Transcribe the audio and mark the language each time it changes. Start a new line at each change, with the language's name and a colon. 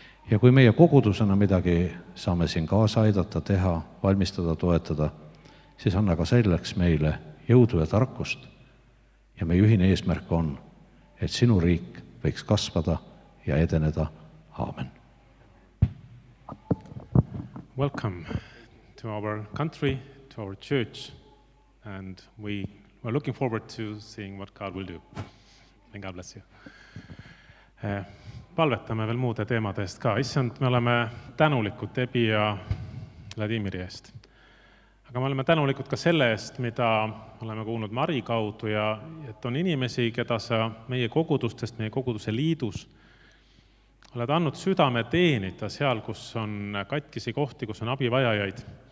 Estonian: Ja kui meie kogudusena midagi saame siin kaasa aidata, teha, valmistada, toetada, siis anna ka selleks meile jõudu ja tarkust. Ja meie ühine eesmärk on, et sinu riik võiks kasvada ja edeneda. Aamen.
English: Welcome to our country, to our church, and we are looking forward to seeing what God will do. May God bless you.
Estonian: Palvetame veel muude teemade eest ka. Issand, me oleme tänulikud Debi ja Vladimiri eest. Aga me oleme tänulikud ka selle eest, mida oleme kuulnud Mari kaudu ja et on inimesi, keda sa meie kogudustest, meie koguduse liidus oled annud südame teenida seal, kus on katkisi kohti, kus on abivajajaid.